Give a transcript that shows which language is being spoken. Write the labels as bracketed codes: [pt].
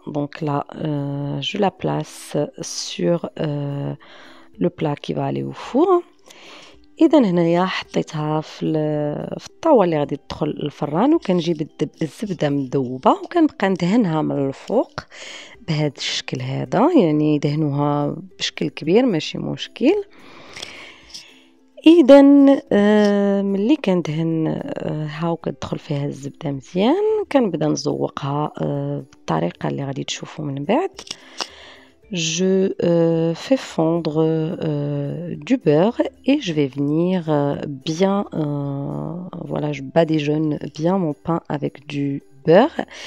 [fr] Donc là je la place sur le plat qui va aller au four [ar] اذا هنايا حطيتها في الطاوله اللي غادي تدخل الفران، وكنجيب الزبده مذوبه وكنبقى ندهنها من الفوق بهذا الشكل هذا، يعني دهنوها بشكل كبير ماشي مشكل. اذا ملي كندهن هاو كتدخل فيها الزبده مزيان، كنبدا نزوقها بالطريقه اللي غادي تشوفوا من بعد. [fr] Je fais fondre du beurre et je vais venir bien, voilà, je badigeonne bien mon pain avec du beurre.